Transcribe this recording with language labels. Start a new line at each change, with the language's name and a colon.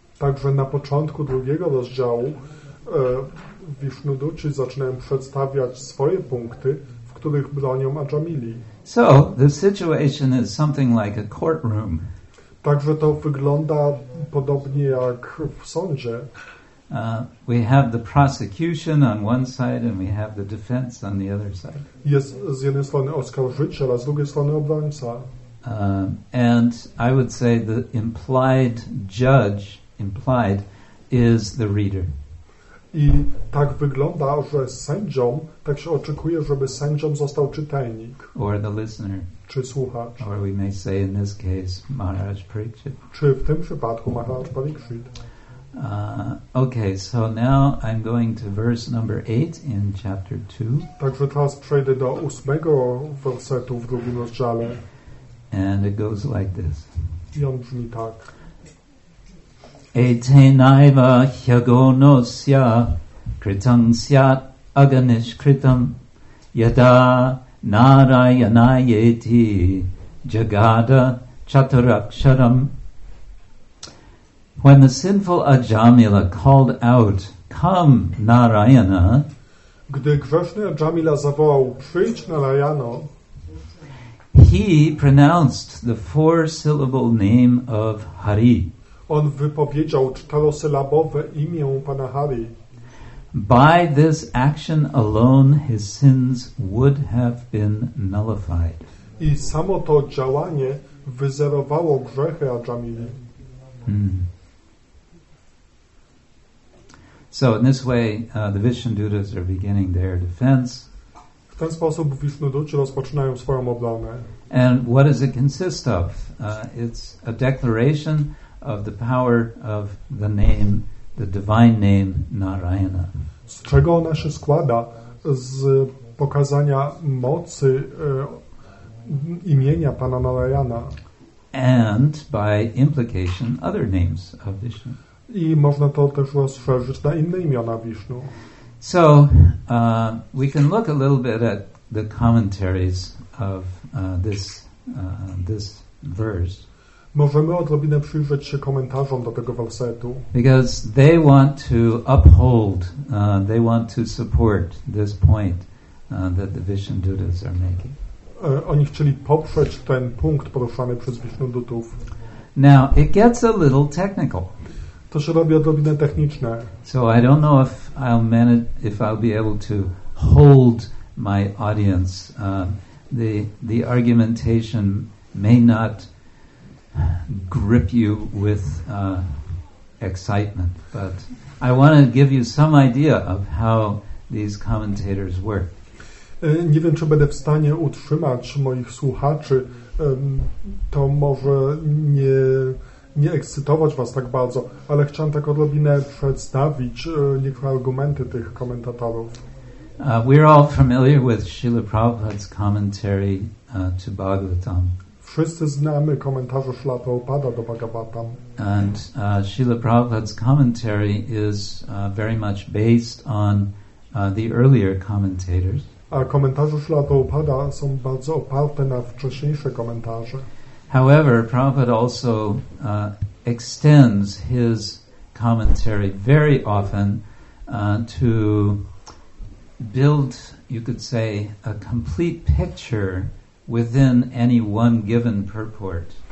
Polish: Także na początku drugiego rozdziału Vishnuduci zaczynają przedstawiać swoje punkty, w których bronią Ajamili.
English: So, the situation is something like a courtroom.
Polish: Także to wygląda podobnie jak w sądzie.
English: We have the prosecution on one side and we have the defense on the other side.
Polish: Jest z jednej strony oskarżyciel, a z drugiej strony obrońca.
English: And I would say the implied judge, implied, is the reader.
Polish: I tak wygląda, że sędzią, tak się oczekuje, żeby sędzią został czytelnik.
English: Or the listener.
Polish: Czy słuchacz.
English: Or we may say in this case, Maharaj Pariksit.
Polish: Czy w tym przypadku Maharaj Pariksit.
English: Okay, so now I'm going to verse number 8 in chapter 2.
Polish: Także teraz przejdę do ósmego wersetu w drugim rozdziale.
English: And it goes like this.
Polish: I on brzmi tak.
Sanskrit: Ete naiva hyagonosya kritam syat aganishkritam yada narayanayeti jagada chaturaksharam.
English: When the sinful Ajamila called out, "Come, Narayana,"
Polish: gdy grzeszny Ajamila zawołał, "Przyjdź, Narayano,"
English: he pronounced the four-syllable name of Hari.
Polish: On wypowiedział czterosylabowe imię Pana Hari.
English: By this action alone, his sins would have been nullified.
Polish: I samo to działanie wyzerowało grzechy Ajamili.
English: So in this way, the Vishnudutas are beginning their defense.
Polish: W ten sposób Vishnuduci rozpoczynają swoją obronę.
English: And what does it consist of? It's a declaration of the power of the name, the divine name Narayana.
Polish: Z czego ona się składa? Z pokazania mocy imienia Pana Narayana.
English: And by implication, other names of Vishnu.
Polish: I można to też rozszerzyć na inne imiona Vishnu.
English: So, we can look a little bit at the commentaries of this verse.
Polish: Możemy odrobinę przyjrzeć się komentarzom do tego wersetu.
English: Because they want to uphold, they want to support this point that the Vishnudutas are making.
Polish: Oni chcieli poprzeć ten punkt poruszany przez Vishnudutów.
English: Now, it gets a little technical.
Polish: To się robi odrobinę techniczne.
English: So I don't know if I'll be able to hold my audience. The argumentation may not grip you with excitement, but I want to give you some idea of how these commentators work.
Polish: Nie wiem, czy będę w stanie utrzymać moich słuchaczy. To może nie ekscytować was tak bardzo, ale chciałem tak odrobinę przedstawić niektóre argumenty tych komentatorów.
English: We're all familiar with Śrīla Prabhupāda's commentary to Bhagavatam.
Polish: Wszyscy znamy komentarze Śrila Prabhupada do Bhagavatam.
English: And Śrila Prabhupada's commentary is very much based on the earlier commentators.
Polish: A komentarze Śrila Prabhupada są bardzo oparte na wcześniejsze komentarze.
English: However, Prabhupada also extends his commentary very often to build, you could say, a complete picture within any one given purport.